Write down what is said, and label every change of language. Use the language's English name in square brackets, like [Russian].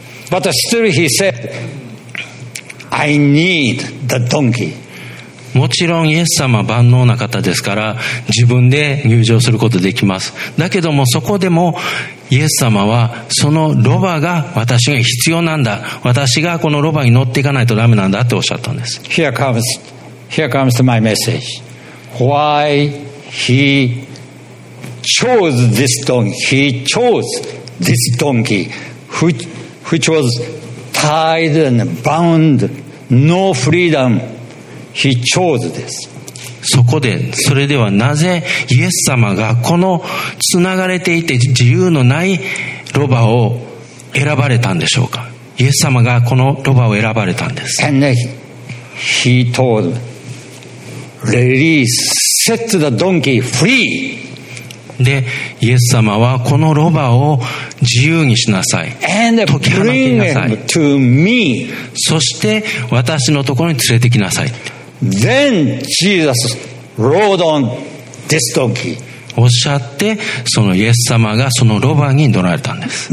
[English] But still he said, I need the donkey. [Japanese] もちろんイエス様は万能な方ですから自分で入場することできます。だけどもそこでもイエス様はそのロバが私が必要なんだ、私がこのロバに乗っていかないとダメなんだっておっしゃったんです。 [English] Here comes my message. Why he chose this donkey. He chose this donkey which was tied and bound, no freedom. He chose this. [Japanese] そこで、それではなぜイエス様がこのつながれていて自由のないロバを選ばれたんでしょうか。イエス様がこのロバを選ばれたんです。 [English] And he told, release, set the donkey free. [Japanese] で、イエス様はこのロバを自由にしなさい。 [English] And bring him to me. [Japanese] そして私のところに連れてきなさい。 [English] Then Jesus rode on this donkey. [Japanese] おっしゃって、そのイエス様がそのロバに乗られたんです。